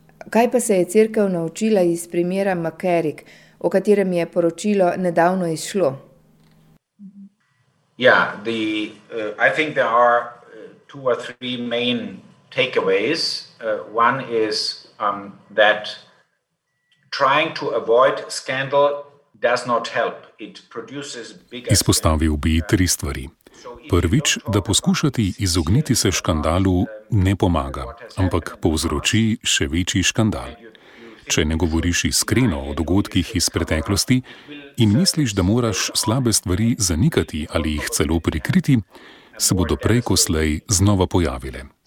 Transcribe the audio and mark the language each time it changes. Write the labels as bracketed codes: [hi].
[sl] Kaj pa se je cerkev naučila iz primera McCarrick, o katerem je poročilo nedavno izšlo? [en] Yeah, the I think there are two or three main takeaways. One is that trying to avoid scandal does not help. It produces bigger. [sl] Izpostavil bi tri stvari. Prvič, da poskušati izogniti se škandalu ne pomaga, ampak povzroči še večji škandal. Če ne govoriš iskreno o dogodkih iz preteklosti in misliš, da moraš slabe stvari zanikati ali jih celo prikriti, se bodo prej ko slej znova pojavile.